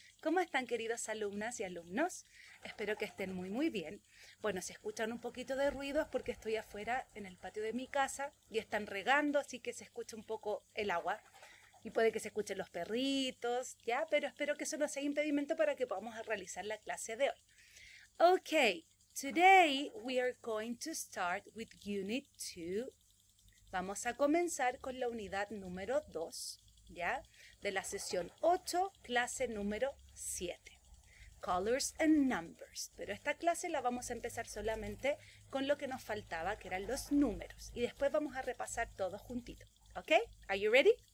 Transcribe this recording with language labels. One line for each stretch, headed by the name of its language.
Spanish: ¿Cómo están, queridos alumnas y alumnos? Espero que estén muy muy bien. Bueno, si escuchan un poquito de ruido es porque estoy afuera en el patio de mi casa y están regando, así que se escucha un poco el agua. Y puede que se escuchen los perritos, ¿ya? Pero espero que eso no sea impedimento para que podamos realizar la clase de hoy.
English: Okay. Today we are going to start with unit 2.
Spanish: Vamos a comenzar con la unidad número 2, ¿ya? De la sesión 8, clase número 7.
English: Colors and numbers.
Spanish: Pero esta clase la vamos a empezar solamente con lo que nos faltaba, que eran los números. Y después vamos a repasar todo juntito. ¿Ok?
English: Are you ready?